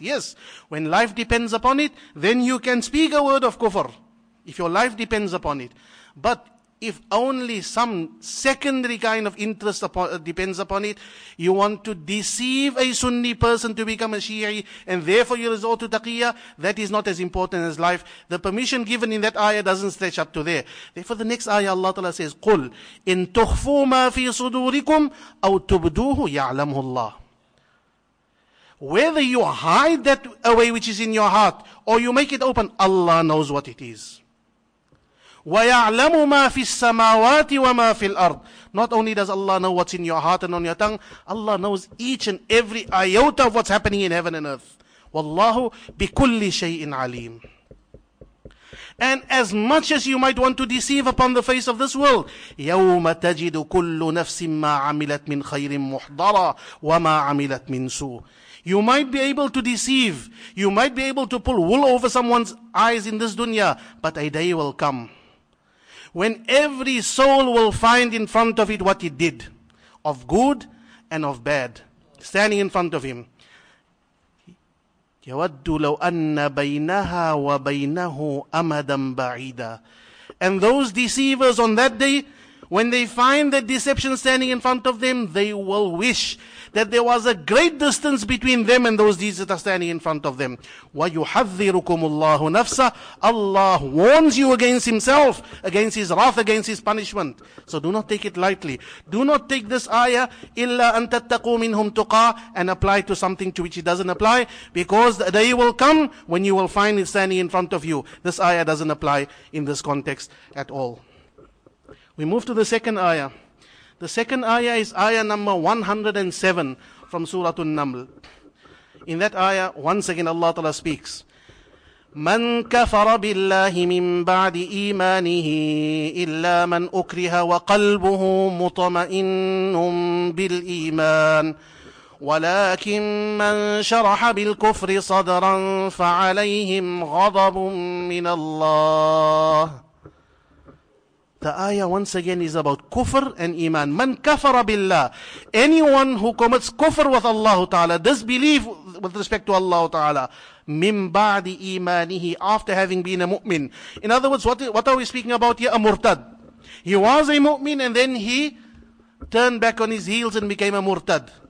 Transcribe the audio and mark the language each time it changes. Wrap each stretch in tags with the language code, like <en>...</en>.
<en>Yes, when life depends upon it, then you can speak a word of kufr, if your life depends upon it. But if only some secondary kind of interest depends upon it, you want to deceive a Sunni person to become a Shi'i, and therefore you resort to taqiyya, that is not as important as life. The permission given in that ayah doesn't stretch up to there. Therefore the next ayah Allah Ta'ala says,</en> <ar>قُلْ إِن تُخْفُوا مَا فِي صُدُورِكُمْ أَوْ تُبْدُوهُ يَعْلَمُهُ اللَّهُ.</ar> <en>Whether you hide that away which is in your heart, or you make it open, Allah knows what it is.</en> <ar>وَيَعْلَمُ مَا فِي السَّمَاوَاتِ وَمَا فِي الْأَرْضِ.</ar> <en>Not only does Allah know what's in your heart and on your tongue, Allah knows each and every iota of what's happening in heaven and earth.</en> <ar>وَاللَّهُ بِكُلِّ شَيْءٍ عَلِيمٍ.</ar> <en>And as much as you might want to deceive upon the face of this world,</en> <ar>يَوْمَ تَجِدُ كُلُّ نَفْسٍ مَا عَمِلَتْ مِنْ خَيْرٍ مُحْضَرًا وَمَا عَمِلَتْ مِنْ سُوءٍ.</ar> <en>You might be able to deceive, you might be able to pull wool over someone's eyes in this dunya, but a day will come when every soul will find in front of it what it did, of good and of bad, standing in front of him.</en> <ar>يَوَدُّ لَوْ أَنَّ بَيْنَهَا وَبَيْنَهُ أَمَدًا بَعِيدًا.</ar> <en>And those deceivers on that day, When they find the deception standing in front of them, they will wish that there was a great distance between them and those deeds that are standing in front of them.</en> <ar>وَيُحَذِّرُكُمُ اللَّهُ نَفْسَهُ</ar> <en>Allah warns you against himself, against his wrath, against his punishment. So do not take it lightly. Do not take this ayah,</en> <ar>إِلَّا أَن تَتَّقُوا مِنْهُمْ تُقَى</ar> <en>and apply to something to which it doesn't apply, because the day will come when you will find it standing in front of you. This ayah doesn't apply in this context at all. We move to the second ayah. The second ayah is ayah number 107 from Surah An-Naml. In that ayah, once again Allah Ta'ala speaks.</en> <ar>مَنْ كَفَرَ بِاللَّهِ مِنْ بَعْدِ إِيمَانِهِ إِلَّا مَنْ أُكْرِهَ وَقَلْبُهُ مُطَمَئِنٌ بِالْإِيمَانِ وَلَكِنْ مَنْ شَرَحَ بِالْكُفْرِ صَدْرًا فَعَلَيْهِمْ غَضَبٌ مِّنَ اللَّهِ</ar> <en>The ayah once again is about kufr and iman.</en> <ar>Man kafara billah.</ar> <en>Anyone who commits kufr with Allah Ta'ala, disbelief with respect to Allah Ta'ala,</en> <ar>min ba'di imanihi,</ar> <en>after having been a mu'min. In other words, what are we speaking about here? A murtad. He was a mu'min and then he turned back on his heels and became a murtad.</en>